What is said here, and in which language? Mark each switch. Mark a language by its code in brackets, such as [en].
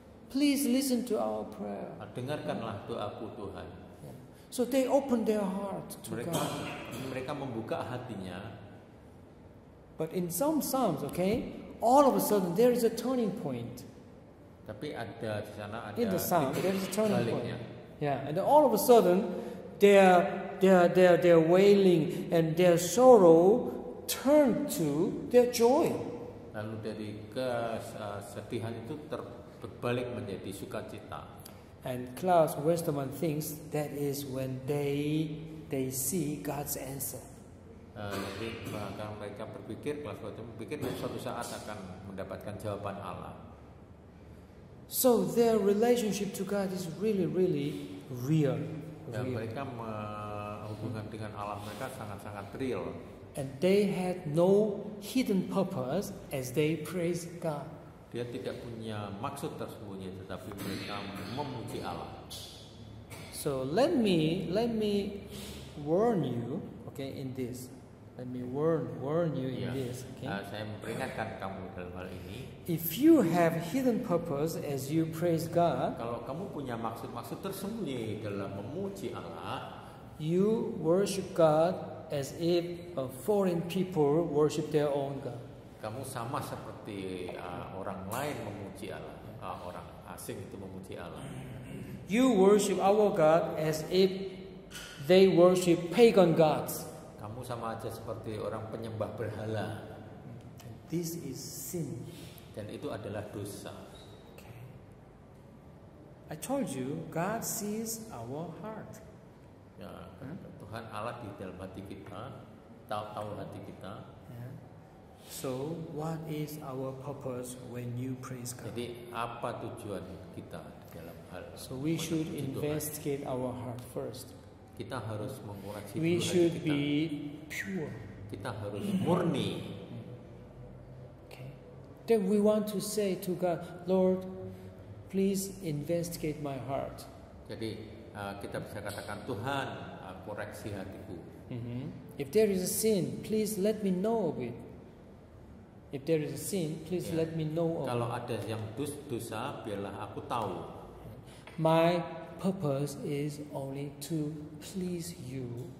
[en] Please listen to our prayer. [id] Dengarkanlah doaku Tuhan. [en] So they open their heart to God. [id] Mereka membuka hatinya. [en] But in some psalms, okay, all of a sudden there is a turning point. [id] Tapi ada di sana ada. [en] In the psalm, there is a turning point. Yeah, and all of a sudden, their wailing and their sorrow turn to their joy. [id] Lalu dari kesedihan itu berbalik menjadi sukacita. [en] And Klaus Westermann thinks that is when they see God's answer. [id] Jadi bahkan mereka berpikir, Klaus Westermann berpikir suatu saat akan mendapatkan jawaban Allah. [en] So their relationship to God is really, really real. [id] Dan mereka hubungan dengan Allah mereka sangat-sangat real. [en] And they had no hidden purpose as they praise God. [id] Dia tidak punya maksud tersembunyi, tetapi mereka memuji Allah. [en] So let me warn you, okay, in this. Let me warn you in this. Okay? [id] Saya memperingatkan kamu dalam hal ini. [en] If you have hidden purpose as you praise God, [id] kalau kamu punya maksud-maksud tersembunyi dalam memuji Allah, [en] you worship God as if a foreign people worship their own God. [id] Kamu sama seperti orang lain memuji Allah, orang asing itu memuji Allah. [en] You worship our God as if they worship pagan gods. [id] Kamu sama aja seperti orang penyembah berhala. [en] This is sin. [id] Dan itu adalah dosa. [en] Okay. I told you, God sees our heart. [id] Ya, Tuhan Allah di dalam hati kita. tahu hati kita. [en] So what is our purpose when you praise God? [id] Jadi apa tujuan kita dalam hal? [en] So we should investigate our heart first. [id] Kita harus mengoreksi diri kita. [en] We should be pure. [id] Kita harus murni. [en] Okay. Then we want to say to God, Lord, please investigate my heart. [id] Jadi kita bisa katakan Tuhan, koreksi hatiku. [en] If there is a sin, please let me know of it. If there is a sin, please let me know. [id] Kalau ada yang dosa, biarlah aku tahu. [en] My purpose is only to please you.